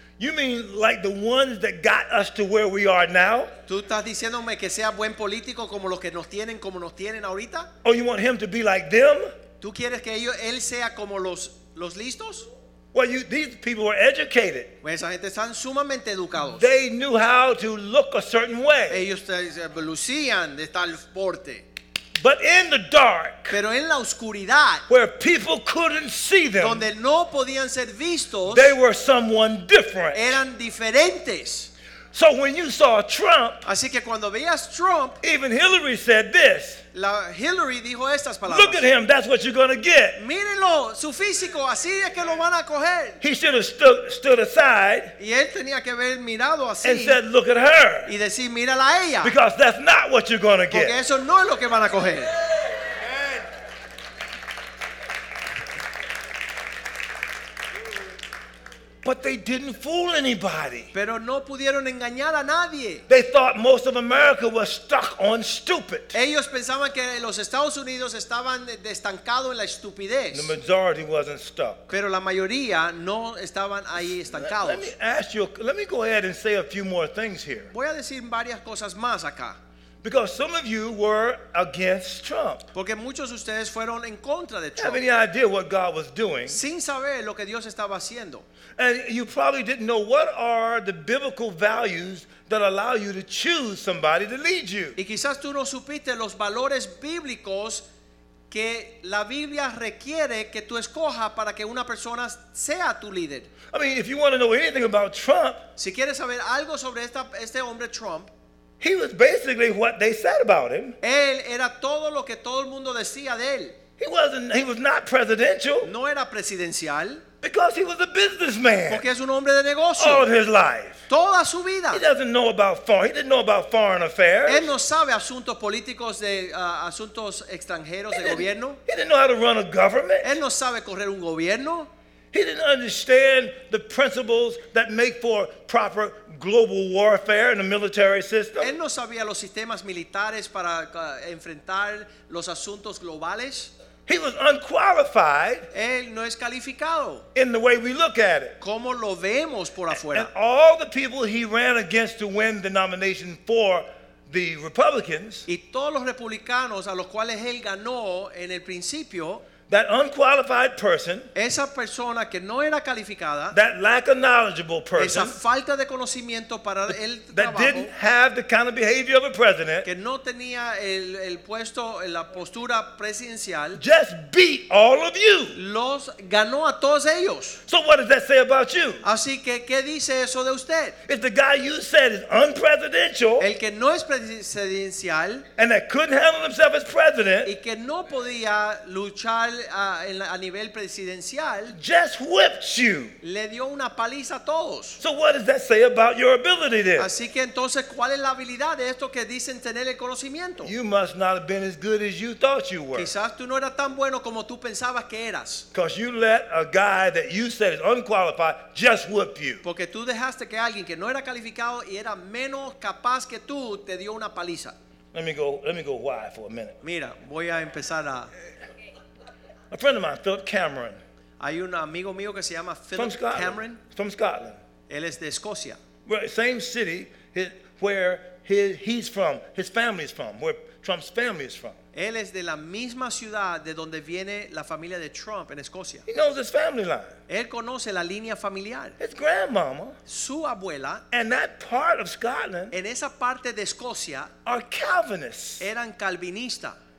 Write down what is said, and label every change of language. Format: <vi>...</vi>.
<en>You mean like the ones that got us to where we are now?</en> <es>¿Tú estás diciéndome que sea buen político como los que nos tienen, como nos tienen ahorita?</es> <en>Or you want him to be like them?</en> <es>¿Tú quieres que ellos, él sea como los listos?</es> <en>Well, these people were educated.</en> <es>Pues esa gente están sumamente educados.</es> <en>They knew how to look a certain way.</en> <es>Ellos lucían de tal porte.</es> <en>But in the dark,</en> <es>pero en la oscuridad,</es> <en>where people couldn't see them,</en> <es>donde no podían ser vistos,</es> <en>they were someone different.</en> <es>Eran diferentes.</es> <en>So when you saw Trump,</en> <es>así que cuando veías Trump,</es> <en>even Hillary said this.</en> <es>La Hillary dijo estas palabras.</es> <en>Look at him, that's what you're going to get.</en> <es>Mírenlo, su físico, así es que lo van a coger.</es> <en>He should have stood aside.</en> <es>Y él tenía que haber mirado así.</es> <en>And said, look at her.</en> <es>Y decir, mírala a ella.</es> <en>Because that's not what you're going to get.</en> <es>Porque eso no es lo que van a coger.</es> <en>But they didn't fool anybody.</en> <es>Pero no pudieron engañar a nadie.</es> <en>They thought most of America was stuck on stupid.</en> <es>Ellos pensaban que los Estados Unidos estaban estancados en la estupidez.</es> <en>The majority wasn't stuck.</en> <es>Pero la mayoría no estaban ahí estancados.</es> <en>Let me go ahead and say a few more things here.</en> <es>Voy a decir varias cosas más acá.</es> <en>Because some of you were against Trump.</en> <es>Porque muchos de ustedes fueron en contra de Trump.</es> <en>Have any idea what God was doing?</en> <es>Sin saber lo que Dios estaba haciendo.</es> <en>And you probably didn't know what are the biblical values that allow you to choose somebody to lead you.</en> <es>Y quizás tú no supiste los valores bíblicos que la Biblia requiere que tú escojas para que una persona sea tu líder.</es> <en>I mean, if you want to know anything about Trump,</en> <es>si quieres saber algo sobre este hombre Trump,</es> <en>he was basically what they said about him.</en> <es>Él era todo lo que todo el mundo decía de él.</es> <en>He was not presidential.</en> <es>No era presidencial.</es> <en>Because he was a businessman.</en> <es>Porque es un hombre de negocio.</es> <en>All his life.</en> <es>Toda su vida.</es> <en>He doesn't know about foreign. He didn't know about foreign affairs.</en> <es>Él no sabe asuntos políticos de asuntos extranjeros de gobierno.</es> <en>He didn't know how to run a government.</en> <es>Él no sabe correr un gobierno.</es> <en>He didn't understand the principles that make for proper global warfare in the military system.</en> <es>Él no sabía los sistemas militares para enfrentar los asuntos globales.</es> <en>He was unqualified.</en> <es>Él no es calificado.</es> <en>In the way we look at it.</en> <es>Como lo vemos por afuera.</es> <en>And all the people he ran against to win the nomination for the Republicans.</en> <es>Y todos los republicanos a los cuales él ganó en el principio.</es> <en>That unqualified person,</en> <es>esa persona que no era calificada,</es> <en>that lack of knowledgeable person,</en> <es>esa falta de conocimiento para el trabajo,</es> <en>that didn't have the kind of behavior of a president,</en> <es>que no tenía el puesto, la postura presidencial,</es> <en>just beat all of you.</en> <es>Los ganó a todos ellos.</es> <en>So what does that say about you?</en> <es>Así que, ¿qué dice eso de usted?</es> <en>If the guy you said is unpresidential,</en> <es>el que no es presidencial,</es> <en>and that couldn't handle himself as president,</en> <es>y que no podía luchar a nivel presidencial,</es> <en>just whipped you.</en> <es>Le dio una paliza a todos.</es> <en>So what does that say about your ability then?</en> <es>Así que entonces, ¿cuál es la habilidad de esto que dicen tener el conocimiento?</es> <en>You must not have been as good as you thought you were.</en> <es>Quizás tú no eras tan bueno como tú pensabas que eras.</es> <en>Because you let a guy that you said is unqualified just whip you.</en> <es>Porque tú dejaste que alguien que no era calificado y era menos capaz que tú te dio una paliza.</es> <en>Let me go why for a minute.</en> <es>Mira, voy a empezar a</es> <en>A friend of mine, Philip Cameron.</en> <es>Hay un amigo mío que se llama Philip Cameron.</es> <en>From Scotland.</en> <es>Él es de Escocia.</es> <en>Right, same city where he's from, his family is from, where Trump's family is from.</en> <es>Él es de la misma ciudad de donde viene la familia de Trump en Escocia.</es> <en>He knows his family line.</en> <es>Él conoce la línea familiar.</es> <en>His grandmama.</en> <es>Su abuela.</es> <en>And that part of Scotland.</en> <es>En esa parte de Escocia.</es> <en>Are Calvinists.</en> <es>Eran calvinistas.</es>